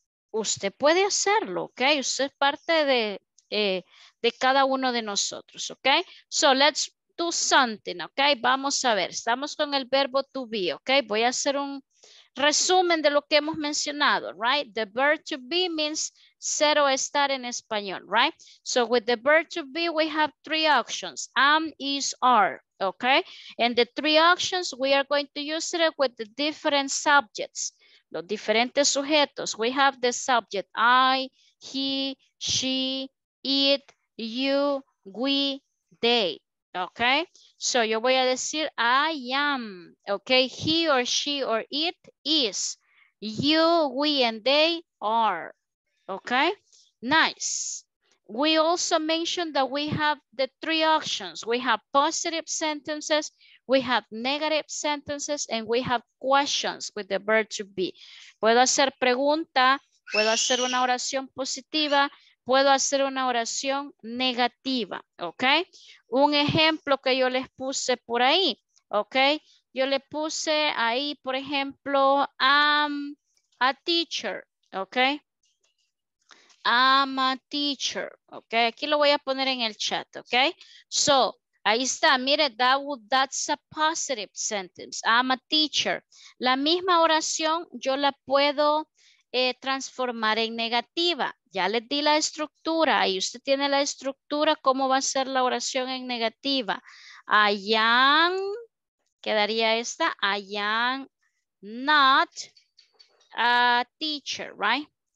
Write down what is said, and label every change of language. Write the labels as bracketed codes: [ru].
[es] usted puede hacerlo, ¿ok? Usted es parte de cada uno de nosotros, ¿ok? [en] So let's do something, [es] ¿ok? Vamos a ver, estamos con el verbo to be, ¿ok? Voy a hacer un resumen de lo que hemos mencionado, right? [en] The verb to be means [es] ser o estar en español, [en] right? So with the verb to be, we have three options, am, is, are, okay? And the three options, we are going to use it with the different subjects, [es] los diferentes sujetos. [en] We have the subject, I, he, she, it, you, we, they. Okay, so [es] yo voy a decir [en] I am, okay, he or she or it is, you, we, and they are, okay, nice. We also mentioned that we have the three options. We have positive sentences, we have negative sentences, and we have questions with the verb to be. [es] Puedo hacer pregunta, puedo hacer una oración positiva, puedo hacer una oración negativa, ¿ok? Un ejemplo que yo les puse por ahí, ¿ok? Yo le puse ahí, por ejemplo, [en] I'm a teacher, [es] ¿ok? [en] I'm a teacher, [es] ¿ok? Aquí lo voy a poner en el chat, ¿ok? [en] So, [es] ahí está, mire, [en] that's a positive sentence. I'm a teacher. [es] La misma oración yo la puedo transformar en negativa. Ya les di la estructura y usted tiene la estructura, ¿cómo va a ser la oración en negativa? [en] I am, [es] quedaría esta, [en] I am not a teacher, right?